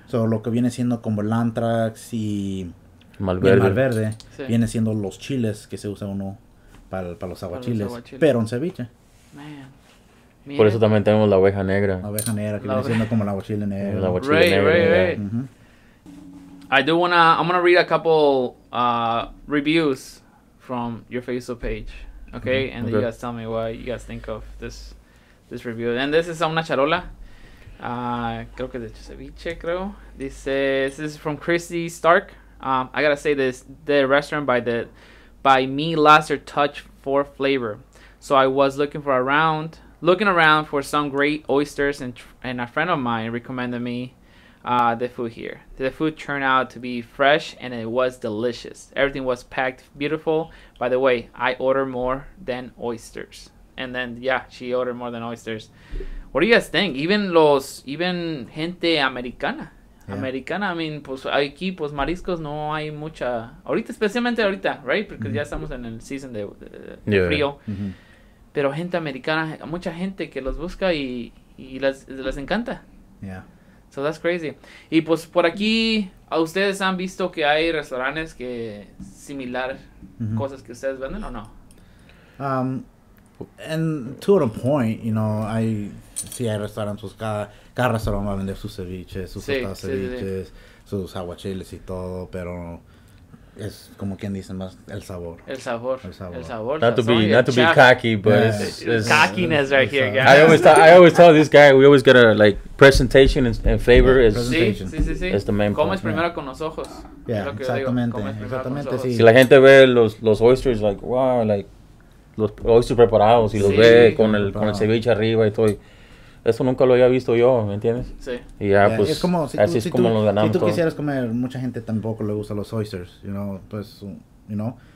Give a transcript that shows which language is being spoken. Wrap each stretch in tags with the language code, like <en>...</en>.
<en>So,</en> <es>lo que viene siendo como el Anthrax y el mal verde sí. viene siendo los chiles que se usa uno para los aguachiles. Para los aguachiles. Pero en ceviche. Man. Miren. Por eso también tenemos la oveja negra. La oveja negra, que viene siendo como el aguachile negro. El aguachile negro.</es> <en>Right. Uh-huh. I'm gonna read a couple reviews from your Facebook page. Okay? Mm-hmm. And okay. You guys tell me what you guys think of this review. And this is</en> <es>una charola. Creo que de ceviche, creo. Dice,</es> <en>this is from Christy Stark. I gotta say this, the restaurant by me Lasser touch for flavor. So I was looking around for some great oysters and a friend of mine recommended me the food here. The food turned out to be fresh and it was delicious. Everything was packed beautiful. By the way, I ordered more than oysters. And then, yeah, she ordered more than oysters. What do you guys think? Even</en> <es>gente americana.</es> <en>Yeah.</en> <es>Americana,</es> <en>I mean,</en> <es>pues aquí, pues mariscos no hay mucha. Ahorita, especialmente ahorita,</es> <en>right?</en> <es>Porque mm-hmm. ya estamos en el season de frío. Mm-hmm. Pero gente americana, mucha gente que los busca y y les encanta.</es> <en>Yeah. So that's crazy.</en> <es>Y pues por aquí, ¿a ustedes han visto que hay restaurantes que similar cosas que ustedes venden o no?</es> <en>And to a point, you know,</en> <es>hay, sí hay restaurantes, pues cada restaurante va a vender sus ceviches, sus tostadas, ceviches, sus aguachiles y todo, pero es como quien dice más el sabor. El sabor. El sabor. El sabor.</es> <en>Not to be cocky, but it's cockiness right here, guys. I always tell this guy, we always get a like presentation and flavor is presentation. Sí. Is the main comes</en> <es>primero con los ojos.</es> <en>Yeah,</en> <es>exactamente. Exactamente, sí. Si la gente ve los oysters,</es> <en>like, wow, like,</en> <es>los oysters preparados y los ve con el ceviche arriba y todo. Eso nunca lo había visto yo, ¿me entiendes? Sí. Y ya, pues, es como, así es como lo ganamos. Si tú quisieras comer, mucha gente tampoco le gusta los oysters,</es> <en>you know,</en> <es>pues, you know.</es>